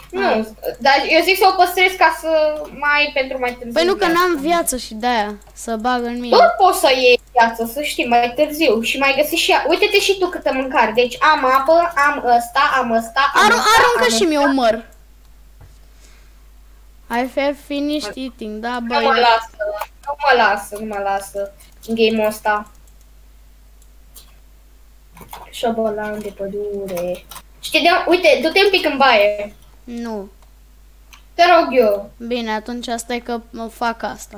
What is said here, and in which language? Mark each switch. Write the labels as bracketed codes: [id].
[ro] Nu, dar eu zic să o păstrez ca să mai, pentru mai târziu. Păi nu, că n-am viață și de-aia să bag în mine. Tot poți să iei viață, să știi, mai târziu și mai găsi și ea. Uite-te și tu câtă mâncare. Deci am apă, am ăsta, am ăsta, aruncă și mie un măr. [en] I have finished eating, [ro] da, băi. Nu mă lasă, nu mă lasă, nu mă lasă în game-ul ăsta. Șobolan de pădure. Știi, de, uite, du-te un pic în baie. Nu. Te rog eu. Bine, atunci stai că mă fac asta.